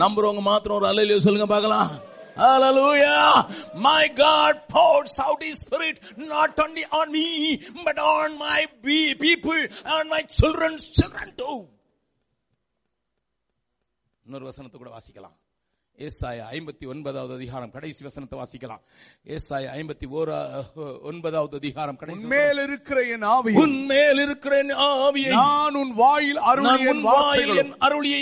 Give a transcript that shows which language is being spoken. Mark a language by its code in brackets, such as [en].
[ta] நம்புறவங்க மாத்திரம் ஒரு அல்லேலூயா சொல்லுங்க பாக்கலாம். [en] Hallelujah! My God pours out His Spirit not only on me but on my people and my children's children too. [ta] இன்னொரு வசனத்தை கூட வாசிக்கலாம், ஏசாயா 59வது அதிகாரம் கடைசி வசனத்தை வாசிக்கலாம். ஏசாயா 59வது அதிகாரம் கடைசி, உன் மேல் இருக்கிற என் ஆவியை நான் உன் வாயில் அருளிய